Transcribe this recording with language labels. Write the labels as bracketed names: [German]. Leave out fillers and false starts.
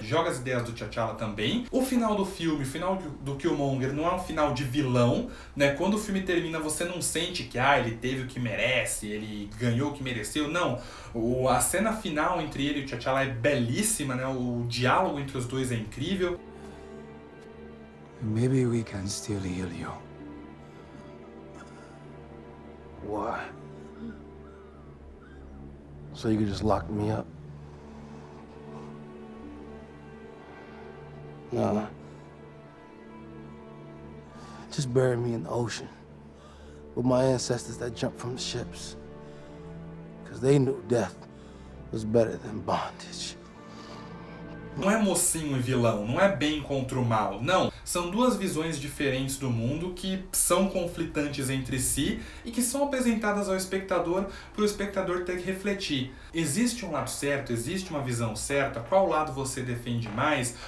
[Portuguese] Joga as ideias do T'Challa também. O final do filme, o final do Killmonger, não é um final de vilão, né? Quando o filme termina, você não sente que, ah, ele teve o que merece, ele ganhou o que mereceu. Não. A cena final entre ele e o T'Challa é belíssima, né? O diálogo entre os dois é incrível. [English] Maybe we can still heal you. Why? So you can just lock me up? No. Just bury me in the ocean with my ancestors that jumped from the ships. Because they knew death was better than bondage. [Portuguese] Não é mocinho e vilão, não é bem contra o mal, não. São duas visões diferentes do mundo que são conflitantes entre si e que são apresentadas ao espectador para o espectador ter que refletir. Existe um lado certo? Existe uma visão certa? Qual lado você defende mais?